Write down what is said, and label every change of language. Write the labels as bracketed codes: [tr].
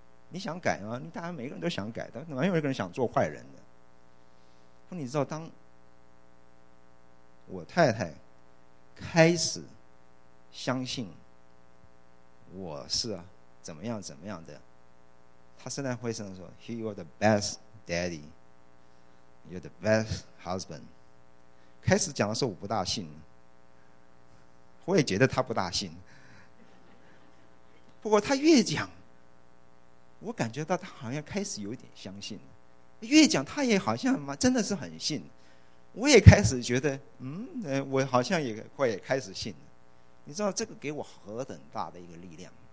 [zh] 你想改吗？大家每个人都想改，但哪有一个人想做坏人的？不，你知道，当我太太开始相信我是怎么样怎么样的，他现在会这样说 [en] You are the best daddy, You're the best husband。 [zh] 开始讲的时候我不大信，我也觉得他不大信，不过他越讲我感觉到他好像开始有点相信，越讲他也好像真的是很信，我也开始觉得我好像也快也开始信了。你知道这个给我何等大的一个力量。